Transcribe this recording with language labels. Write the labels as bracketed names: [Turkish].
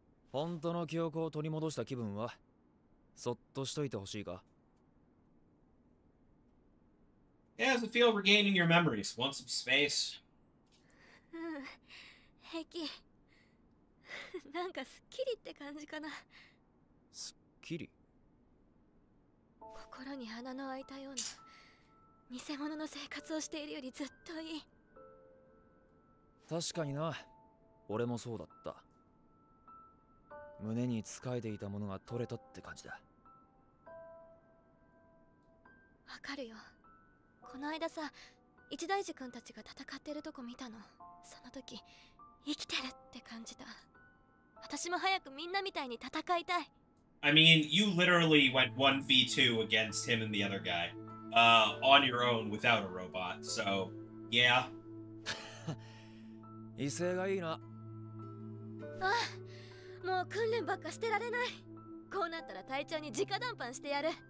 [Japanese] 本当の記憶を取り戻した気分は、そっとしといてほしいか。 [English] How does it feel regaining your memories? Want some space? [Japanese] 平気。なんかすっきりって感じかな。すっきり？心に穴の開いたような偽物の生活をしているよりずっといい。確かにな、俺もそうだった。胸に仕えていたものが取れたって感じだ。わかるよ。この間さ、一大二君たちが戦ってるとこ見たの。その時、生きてるって感じた。私も早くみんなみたいに戦いたい。 [English] I mean, you literally went 1v2 against him and the other guy, on your own without a robot, so, yeah. [Japanese] 威勢がいいな。ああ、もう訓練ばっかしてられない。こうなったら隊長に直談判してやる。